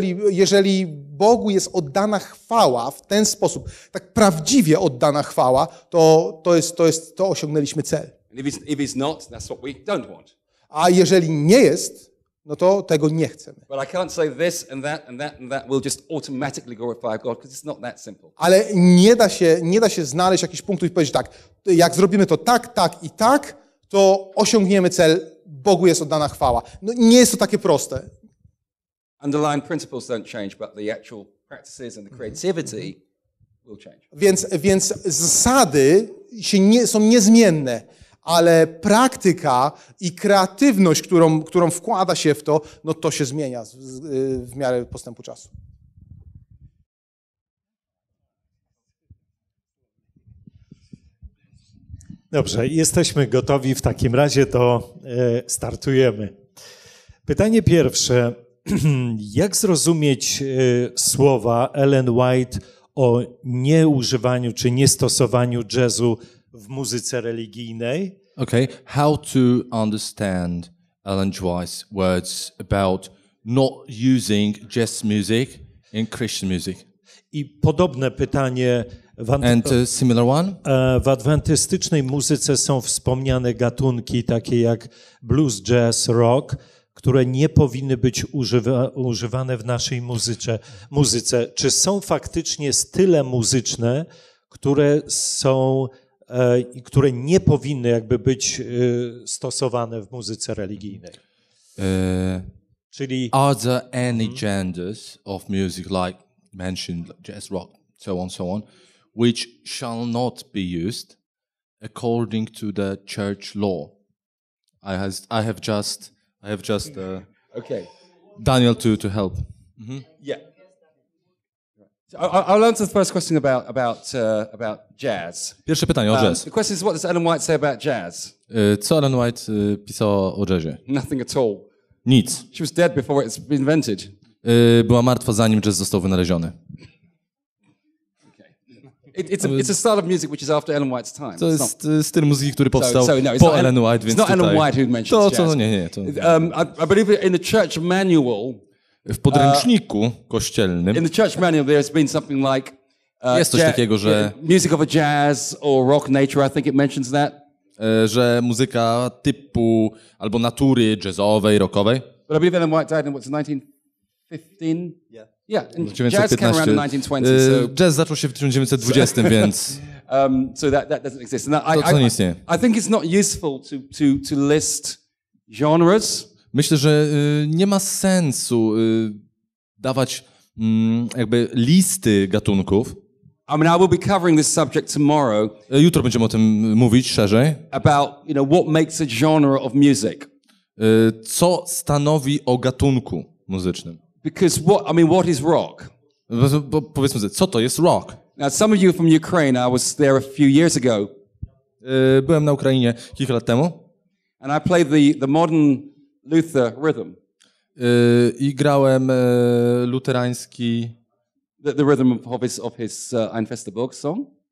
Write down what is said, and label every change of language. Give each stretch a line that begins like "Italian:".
Polish: Jeżeli Bogu jest oddana chwała w ten sposób, tak prawdziwie oddana chwała, to osiągnęliśmy cel.
English: And if he's not, that's what we don't want.
Polish: A jeżeli nie jest, no to tego nie chcemy.
English: But I can't say this and that and that and that will just automatically glorify God because it's not that simple.
Polish: Ale nie da się znaleźć jakiś punktu i powiedzieć tak, jak zrobimy to tak, tak i tak, to osiągniemy cel, Bogu jest oddana chwała. No nie jest to takie proste.
English: Underlying principles don't change, but the actual practices and the creativity will change.
Polish: Więc zasady są niezmienne. Ale praktyka i kreatywność, którą wkłada się w to, no to się zmienia w miarę postępu czasu. Dobrze, jesteśmy gotowi. W takim razie to startujemy. Pytanie pierwsze. Jak zrozumieć słowa Ellen White o nieużywaniu czy niestosowaniu jazzu w muzyce religijnej?
English: Okay, how to understand Ellen White's words about not using jazz music in Christian music?
Polish: I podobne pytanie w adwentystycznej muzyce są wspomniane gatunki takie jak blues, jazz, rock, które nie powinny być używane w naszej muzyce. Czy są faktycznie style muzyczne, które są... które nie powinny jakby być stosowane w muzyce religijnej. Czyli
English: are there any genders of music like mentioned jazz, rock, so on, which shall not be used according to the church law? I have just okay. Daniel to help. Mm-hmm. Yeah. So I'll answer the first question about jazz.
Polish: Pierwsze pytanie o jazz.
English: The question is, what does Ellen White say about jazz?
Polish: Co Ellen White pisała o jazzie?
English: Nothing at all.
Polish: Nic.
English: She was dead before it's been invented.
Polish: Była martwa zanim jazz został wynaleziony.
English: It's a style of music which is after Ellen White's time.
Polish: To jest styl muzyki, który powstał po Ellen White, więc
English: it's not Ellen White who mentions jazz.
Polish: To nie.
English: I believe in the church manual.
Polish: W podręczniku kościelnym.
English: In the church manual there has been something like
Polish: jest coś takiego, że
English: music of a jazz or rock nature, I think it mentions that.
Polish: Że muzyka typu albo natury jazzowej, rockowej.
English: But I believe Ellen White died in what's 1915? Yeah. Yeah, and jazz came around in 1920.
Polish: Jazz zaczął się w 1920, więc
English: so that doesn't exist.
Polish: And to nie istnieje.
English: I think it's not useful to list genres.
Polish: Myślę, że nie ma sensu dawać jakby listy gatunków.
English: I mean, I will be covering this subject tomorrow.
Polish: Jutro będziemy o tym mówić szerzej.
English: About, you know, what makes a genre of music.
Polish: Co stanowi o gatunku muzycznym?
English: Because what, I mean, what is rock?
Polish: Powiedzmy sobie, co to jest rock?
English: Now, some of you from Ukraine, I was there a few years ago.
Polish: Byłem na Ukrainie kilka lat temu.
English: And I played the modern Luther rhythm.
Polish: I grałem luterański.
English: The rhythm of his Ein Fester Burg song.